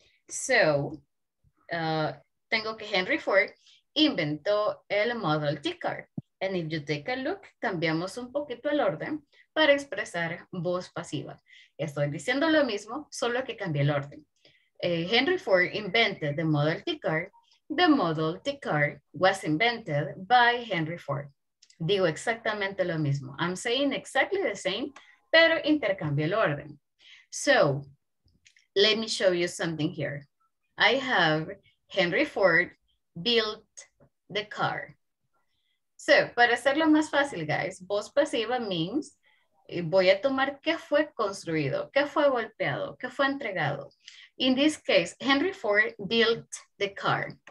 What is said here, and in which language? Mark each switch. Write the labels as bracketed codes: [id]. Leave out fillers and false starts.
[es] So, tengo que Henry Ford inventó el Model T car. [en] And if you take a look, [es] cambiamos un poquito el orden para expresar voz pasiva. Estoy diciendo lo mismo, solo que cambié el orden. [en] Henry Ford invented the Model T car. The Model T car was invented by Henry Ford. [es] Digo exactamente lo mismo. [en] I'm saying exactly the same, [es] pero intercambio el orden. [en] So, let me show you something here. I have Henry Ford built the car. [es] So, para hacerlo más fácil, guys, voz pasiva means voy a tomar qué fue construido, qué fue golpeado, qué fue entregado. [en] In this case, Henry Ford built the car.